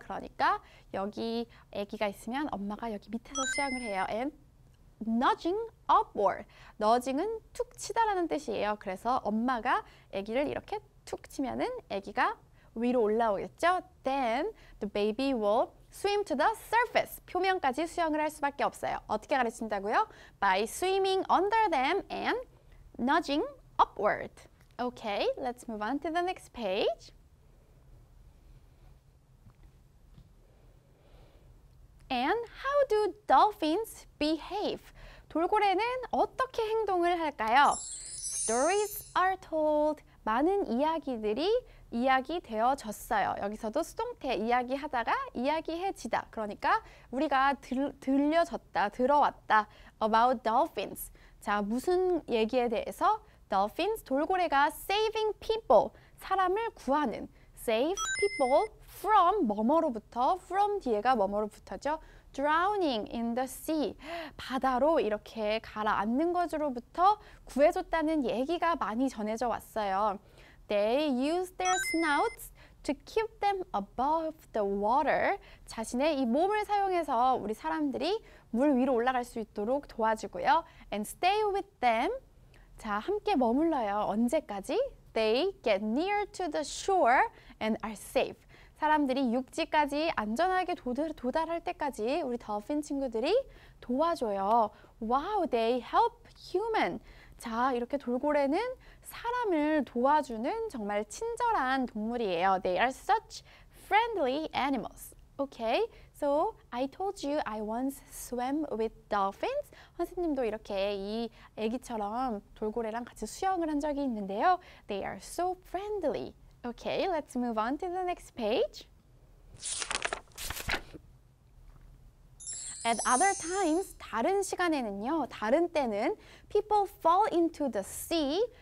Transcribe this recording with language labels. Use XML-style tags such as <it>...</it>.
<ko>그러니까 여기 아기가 있으면 엄마가 여기 밑에서 수영을 해요.</ko> <en>And nudging upward, nudging은</en> <ko>툭 치다라는 뜻이에요. 그래서 엄마가 아기를 이렇게 툭 치면은 아기가 위로 올라오겠죠.</ko> <en>Then the baby will swim to the surface.</en> <ko>표면까지 수영을 할 수밖에 없어요. 어떻게 가르친다고요?</ko> <en>By swimming under them and nudging upward. Okay, let's move on to the next page. And how do dolphins behave?</en> <ko>돌고래는 어떻게 행동을 할까요?</ko> <en>Stories are told.</en> <ko>많은 이야기들이 이야기되어졌어요. 여기서도 수동태 이야기하다가 이야기해지다. 그러니까 우리가 들려졌다, 들어왔다.</ko> <en>About dolphins.</en> <ko>자, 무슨 얘기에 대해서? Dolphins, 돌고래가</ko> <en>saving people,</en> <ko>사람을 구하는.</ko> <en>Save people from</en> <ko>뭐뭐로부터,</ko> <en>from</en> <ko>뒤에가 뭐뭐로부터죠.</ko> <en>Drowning in the sea,</en> <ko>바다로 이렇게 가라앉는 것으로부터 구해줬다는 얘기가 많이 전해져 왔어요.</ko> <en>They use their snouts to keep them above the water.</en> <ko>자신의 이 몸을 사용해서 우리 사람들이 물 위로 올라갈 수 있도록 도와주고요.</ko> <en>And stay with them.</en> <ko>자, 함께 머물러요. 언제까지?</ko> <en>They get near to the shore and are safe.</en> <ko>사람들이 육지까지 안전하게 도달할 때까지 우리 dolphin 친구들이 도와줘요.</ko> <en>Wow, they help human.</en> <ko>자, 이렇게 돌고래는 사람을 도와주는 정말 친절한 동물이에요.</ko> <en>They are such friendly animals. Okay, so I told you I once swam with dolphins.</en> <ko>선생님도 이렇게 이 애기처럼 돌고래랑 같이 수영을 한 적이 있는데요.</ko> <en>They are so friendly. Okay, let's move on to the next page. At other times,</en> <ko>다른 시간에는요, 다른 때는</ko> <en>people fall into the sea.</en>